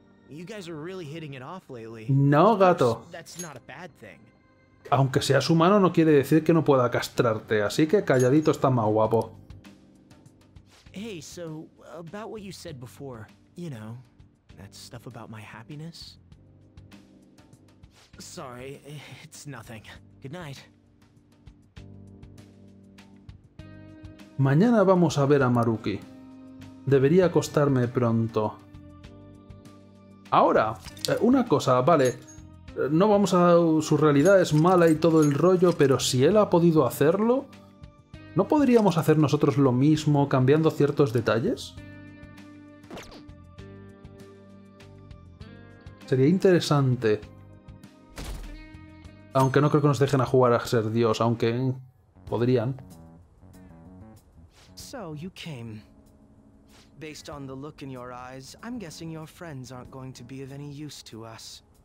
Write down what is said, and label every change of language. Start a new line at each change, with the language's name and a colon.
English: You guys are really hitting it off lately.
Spanish: No, gato.
English: That's not a bad thing.
Spanish: Aunque seas humano, no quiere decir que no pueda castrarte. Así que calladito está más guapo.
English: Hey, so about what you said before. You know, that stuff about my happiness. Sorry, it's nothing. Good night.
Spanish: Mañana vamos a ver a Maruki. Debería acostarme pronto. Ahora, una cosa, vale. No vamos a... su realidad es mala y todo el rollo, pero si él ha podido hacerlo, ¿no podríamos hacer nosotros lo mismo cambiando ciertos detalles? Sería interesante. Aunque no creo que nos dejen a jugar a ser dios, aunque podrían.
English: So you came. Based on the look in your eyes, I'm guessing your friends aren't going to be of any use to us.